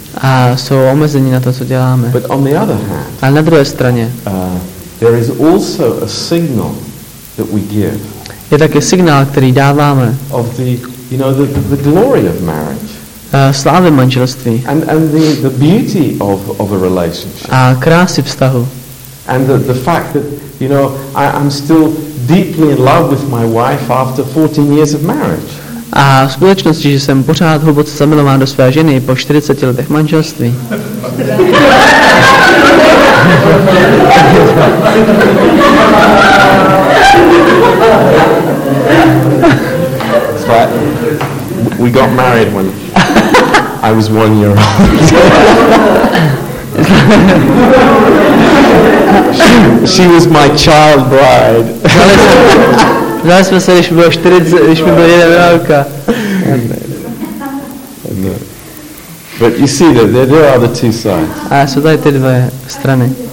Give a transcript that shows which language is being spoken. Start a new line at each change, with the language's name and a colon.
Czech: A jsou omezení na to, co děláme.
English: But on the other hand,
Czech: a na druhé straně,
English: there is also a signal that we give.
Czech: Je také signál, který dáváme.
English: Of the, you know, the glory of marriage.
Czech: Slávy manželství.
English: And the beauty of a relationship.
Czech: A krásy vztahu.
English: And the fact that, you know, I'm still deeply in love with my wife after 14 years of marriage.
Czech: A skutečnosti, že jsem pořád hluboce zamilován do své ženy po 40 letech manželství.
English: But we got married when I was 1 year old. She was my child bride.
Czech: Vzali jsme se, když mi bylo 40, když mi byl jeden rok.
English: But you see that there are the two sides.
Czech: A jsou tady ty dvě strany.